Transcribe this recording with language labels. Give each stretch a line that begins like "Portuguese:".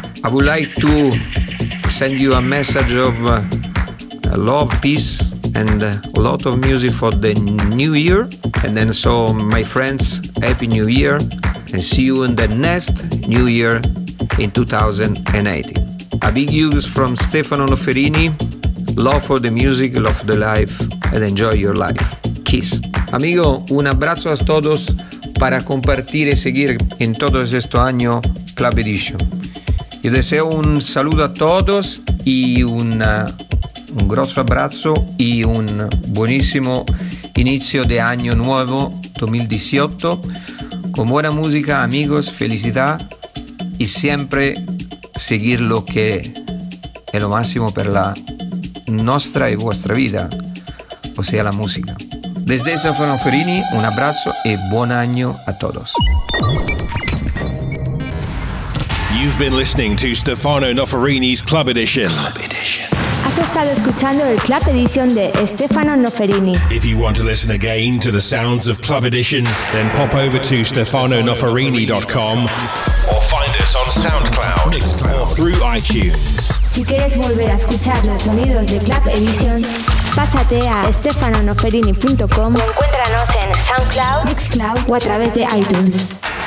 English: I would like to send you a message of love, peace, and a lot of music for the new year. And then, so my friends, happy new year, and see you in the next new year in 2018. A big hugs from Stefano Noferini. Love for the music, love for the life, and enjoy your life. Kiss.
Spanish: Amigo, un abrazo a todos para compartir y seguir en todo este año Club Edition. Yo deseo un saludo a todos y un grosso abrazo y un buenísimo inicio de año nuevo 2018. Con buena música, amigos, felicidad y siempre seguir lo que es lo máximo para
Italian: la nostra e vostra vita, ossia la musica.
Spanish: Desde
Italian: Stefano Ferini, un abbraccio e buon anno
Spanish: a todos.
English: You've been listening to Stefano Noferini's Club Edition. Club Edition.
Spanish: Has estado escuchando el Club Edition de Stefano Noferini.
English: If you want to listen again to the sounds of Club Edition, then pop over to stefanonoferini.com or find us on SoundCloud or through iTunes.
Spanish: Si quieres volver a escuchar los sonidos de Club Edition, pásate a stefanonoferini.com o encuéntranos en SoundCloud, Mixcloud o a través de iTunes.